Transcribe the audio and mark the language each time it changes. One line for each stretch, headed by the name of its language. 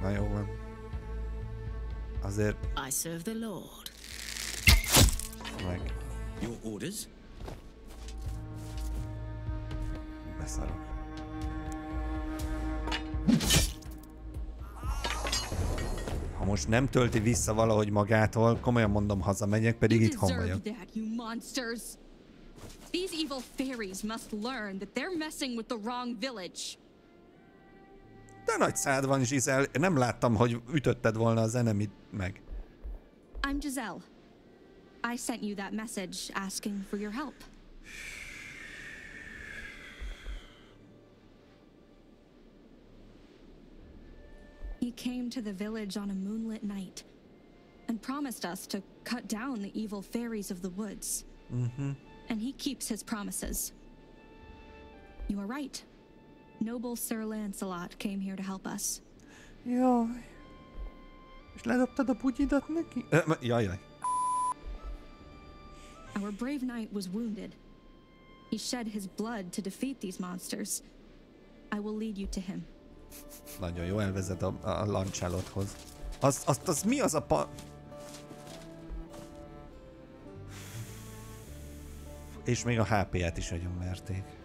Hungarian: Na jó van. Azért...
English: I serve the Lord.
Hungarian: Meg...
English: your orders?
Hungarian: Beszarok. Ha most nem tölti vissza valahogy magától, komolyan mondom, hazamegyek, pedig itt hamvagyok.
English: You deserve that, you monsters! These evil fairies must learn that they're messing with the wrong village.
Hungarian: De nagy szád van, Giselle. Nem láttam, hogy ütötted volna az enemit meg.
English: I'm Giselle. I sent you that message asking for your help. He came to the village on a moonlit night and promised us to cut down the evil fairies of the woods. Mm-hmm. And he keeps his promises. You are right. Noble Sir Lancelot came here to help us.
Hungarian: Jaj. És ledobtad a bugyidat neki? Jaj.
English: Our brave knight was wounded. He shed his blood to defeat these monsters. I will lead you to him.
Hungarian: Nagyon jó, elvezet a Lancelothoz. Az mi az a pa... És még a HP-et is nagyon verték.